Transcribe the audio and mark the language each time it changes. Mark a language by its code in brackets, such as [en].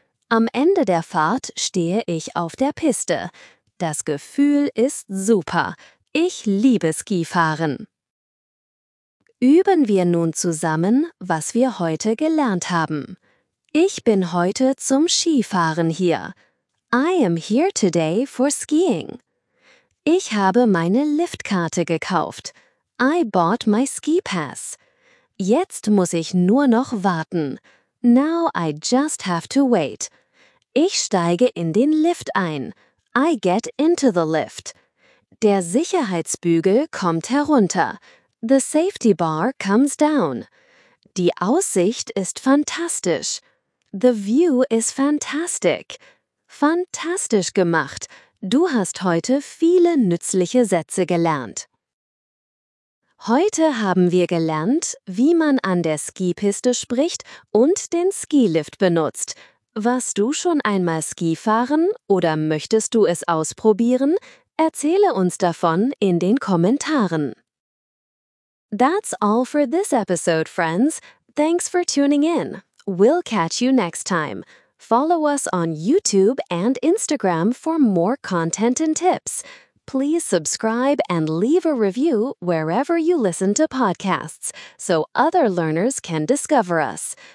[de] Am Ende der Fahrt stehe ich auf der Piste. Das Gefühl ist super. Ich liebe Skifahren. Üben wir nun zusammen, was wir heute gelernt haben. Ich bin heute zum Skifahren hier. [en] I am here today for skiing. [de] Ich habe meine Liftkarte gekauft. [en] I bought my ski pass. [de] Jetzt muss ich nur noch warten. [en] Now I just have to wait. [de] Ich steige in den Lift ein. [en] I get into the lift. [de] Der Sicherheitsbügel kommt herunter. [en] The safety bar comes down. [de] Die Aussicht ist fantastisch. [en] The view is fantastic. [de] Fantastisch gemacht. Du hast heute viele nützliche Sätze gelernt. Heute haben wir gelernt, wie man an der Skipiste spricht und den Skilift benutzt. Warst du schon einmal Skifahren oder möchtest du es ausprobieren? Erzähle uns davon in den Kommentaren. [en] That's all for this episode, friends. Thanks for tuning in. We'll catch you next time. Follow us on YouTube and Instagram for more content and tips. Please subscribe and leave a review wherever you listen to podcasts so other learners can discover us.